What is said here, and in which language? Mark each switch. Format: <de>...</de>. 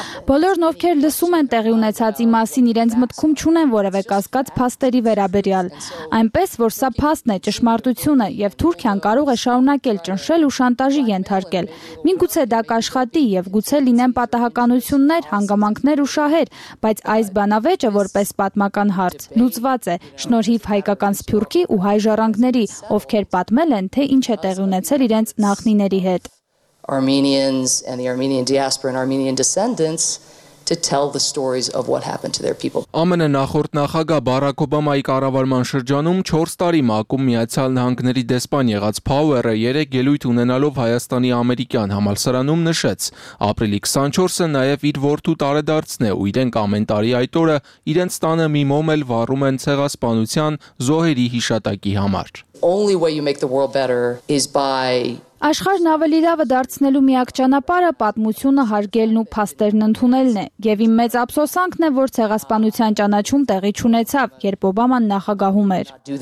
<hy>Բոլորն, ովքեր լսում են տեղի ունեցածի մասին, իրենց մտքում չունեն որևէ կասկած փաստերի վերաբերյալ, այնպես որ սա փաստն է, ճշմարտություն է, եւ Թուրքիան կարող է շարունակել ճնշել ու շանտաժի ենթարկել։ Միգուցե դա կաշխատի եւ գուցե լինեն պատահականություններ, հանգամանքներ ու շահեր, բայց այս բանը Վեճը որպես պատմական հարց լուծված է շնորհիվ հայկական սփյուռքի ու հայ ժառանգների, ովքեր պատմել են, թե ինչ է տեղի ունեցել իրենց նախնիների հետ.</hy> <en>Armenians and the Armenian diaspora and Armenian descendants to tell the stories of what happened to their people.</en> <hy>ԱՄՆ նախորդ նախագահ Բարակ Օբամայի կառավարման շրջանում 4 տարի մակում Միացյալ Նահանգների դեսպան եղած Փաուերը 3 ելույթ ունենալով Հայաստանի ամերիկյան համալսարանում նշեց. Ապրիլի 24-ը նաև իր որդու տարեդարձն է, ու իրենք ամեն տարի այդ օրը իրենց տանը մի մոմել վառում են ցեղասպանության զոհերի հիշատակի համար.</hy> <en>Only way you make the world better is by</en> <hy>Աշխարհն ավելի լավը դարձնելու միակ ճանապարհը պատմությունը հարգելն ու փաստերն ընդունելն է, եւ իմ մեծ ափսոսանքն է, որ ցեղասպանության ճանաչում տեղի չունեցավ, երբ Օբաման նախագահում էր։</hy>